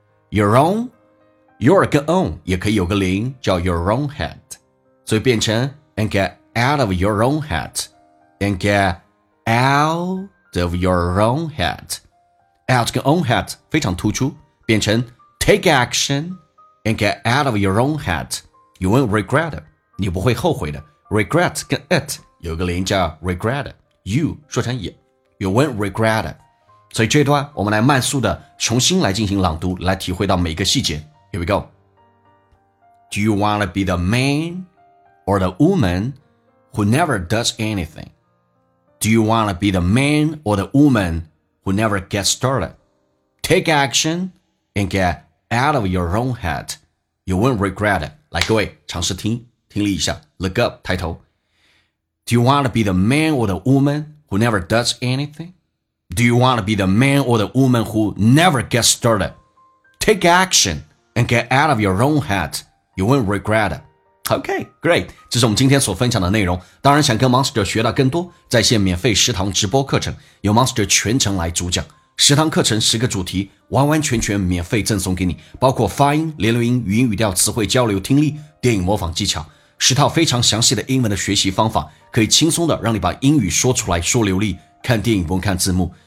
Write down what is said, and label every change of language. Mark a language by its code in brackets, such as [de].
[en] your own your 跟 own [zh] 也可以有个零，叫 [en] your own head， 所以变成 and get out of your own head and get out of your own head， out 跟 own head 非常突出，变成Take action and get out of your own head. You won't regret it. [zh] 你不会后悔的。 Regret 跟 it 有个连音叫 regret. [en] You 说成 it. You won't regret it. [zh] 所以这段我们来慢速的重新来进行朗读，来体会到每一个细节。 [en] Here we go. Do you want to be the man or the woman who never does anything? Do you want to be the man or the woman who never gets started? Take action and get out of your own head, you won't regret it. [zh] 来各位尝试听听力一下 [en] look up 抬头 Do you want to be the man or the woman who never does anything? Do you want to be the man or the woman who never gets started? Take action and get out of your own head, you won't regret it. Okay, great. [zh] 这是我们今天所分享的内容，当然想跟 Monster 学到更多，在线免费十堂直播课程，由 Monster 全程来主讲，十堂课程十个主题完完全全免费赠送给你，包括发音、连读音、语音语调、词汇交流、听力、电影模仿技巧，十套非常详细的英文的学习方法，可以轻松的让你把英语说出来说流利，看电影不用看字幕。